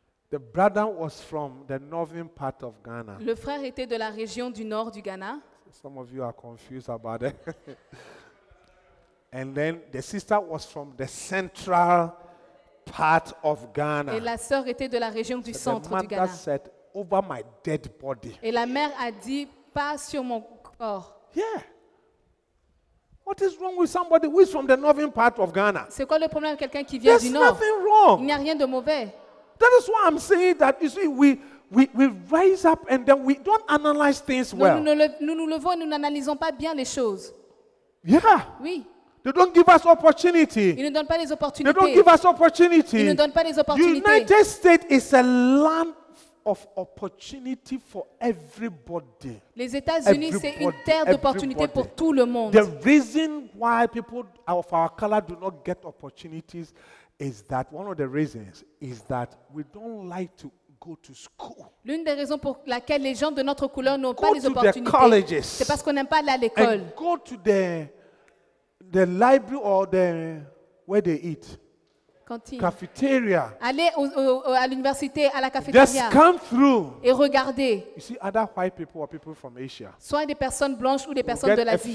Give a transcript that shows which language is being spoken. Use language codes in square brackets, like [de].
[en] The brother was from the northern part of Ghana. [fr] Le frère était de la région du nord du Ghana. [en] Some of you are confused about it. And then the sister was from the central part of Ghana. [fr] Et la sœur était de la région du centre du Ghana. [en] The mother said, "Over my dead body." [fr] Et la mère a dit, "Pas sur mon corps." [en] Yeah. What is wrong with somebody who is from the northern part of Ghana? [fr] C'est quoi le problème avec quelqu'un qui vient du nord? [en] There's nothing wrong. [fr] Il n'y a rien de mauvais. [en] That is why I'm saying that. You see, we rise up and then we don't analyze things well. [fr] Nous levons et nous n'analysons pas bien les choses. [en] Yeah. [fr] Oui. [en] They don't give us opportunity. [fr] Ils ne donnent pas les opportunités. [en] They don't give us opportunity. [fr] Ils ne donnent pas les opportunités. [en] United States is a land of opportunity for everybody. [fr] Les États-Unis [en] everybody, [fr] c'est une terre d'opportunités pour tout le monde. [en] The reason why people of our color do not get opportunities is that one of the reasons is that we don't like to go to school. [fr] L'une des raisons pour laquelle les gens de notre couleur n'ont [en] go [fr] pas les opportunités, [en] the colleges, [fr] c'est parce qu'on n'aime pas aller à l'école. [en] And go to the library or the where they eat. [fr] Cantine. [en] Cafeteria. [fr] Aller à l'université, à la cafétéria. Et regarder. [en] You see, other white people or people from Asia. [fr] Soit des personnes blanches ou des personnes [en] get [fr] de l'Asie.